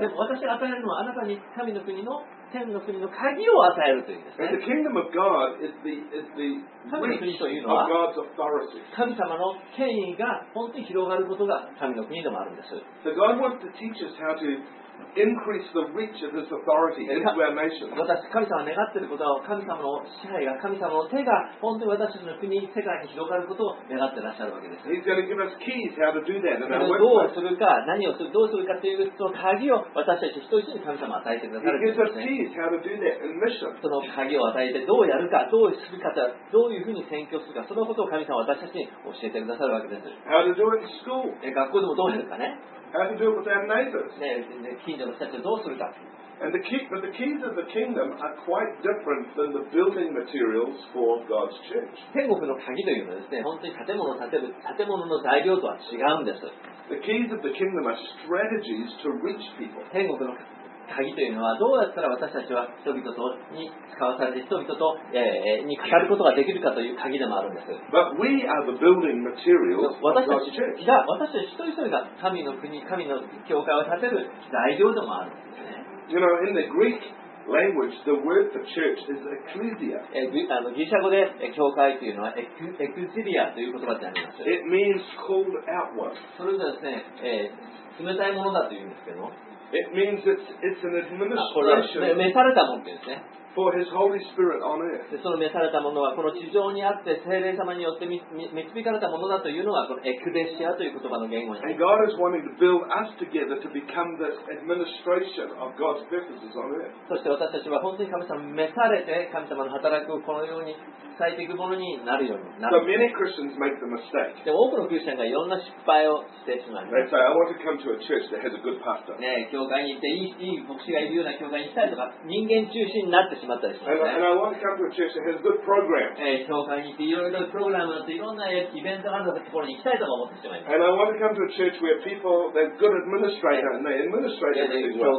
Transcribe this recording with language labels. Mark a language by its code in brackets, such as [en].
[ja] でも私が与えるのはあなたに神の国の天の国の鍵を与えるというんですね。 [en] And the kingdom of God is the [ja] 神の国というのは神様の権威が本当に広がることが神の国でもあるんです。 [en] So God wants to teach us how to increase the reach of His authority into our nation. [ja] 私神様願っていることは神様の支配が神様の手が本当に私の国世界に広がることを願っていらっしゃるわけです。 [en] He's going to give us keys how to do that. [ja] どうするか何をするどうするかというその鍵を私たち一人一人に神様与えてくださる。 [en] He gives us keys how to do that in mission. [ja] その鍵を与えてどうやるかどうするかどういうふうに宣教するかそのことを神様私たちに教えてくださるわけです。 [en] How to do it in school? [ja] 学校でもどうやるかね。 [en] How to deal with our neighbors. [ja] ね、近所の人たちをどうするか。 [en] And but the keys of the kingdom are quite different than the building materials for God's church. [ja] 天国の鍵というのはですね、本当に建物の材料とは違うんです。 [en] The keys of the kingdom are strategies to reach people. [ja] 天国の鍵というのはどうやったら私たちは人々とに使わされて人々と、にかかることができるかという鍵でもあるんです。 [en] But we are the building materials of God's church. [ja] 私たち一人一人が神の国、神の教会を建てる材料でもあるんですね。 [en] You know, in the Greek language, the word for church is ecclesia. [ja] ギリシャ語で教会というのはエクゼリアという言葉であります。 [en] It means called out one. [ja] それはですね、冷たいものだというんですけど。 [en] It means it's an administration. [ja] これは召されたものですね。 [en] For his Holy Spirit on earth. [ja] でその召されたものはこの地上にあって聖霊様によって導かれたものだというのがこのエクレシアという言葉の言語になります。 [en] And God is wanting to build us together to become the administration of God's purposes on earth. [ja] そして私たちは本当に神様に召されて神様の働きをこのように伝えていくものになるようになる。 [en] So many Christians make the mistake. [ja] で多くのクリスチャンがいろんな失敗をしてしまいます。 [en] They say, I want to come to a church that has a good pastor. [ja] ね、教会に行っていい牧師がいるような教会に行きたいとか人間中心になってしまったりしますね。 [en] And I want to come to a church that has good programs. [ja] 教会に行っていろいろプログラムといろんなイベントがあるところに行きたいとか思ってしまいます。 [en] And I want to come to a church where people they're good administrator and they administrate everything well.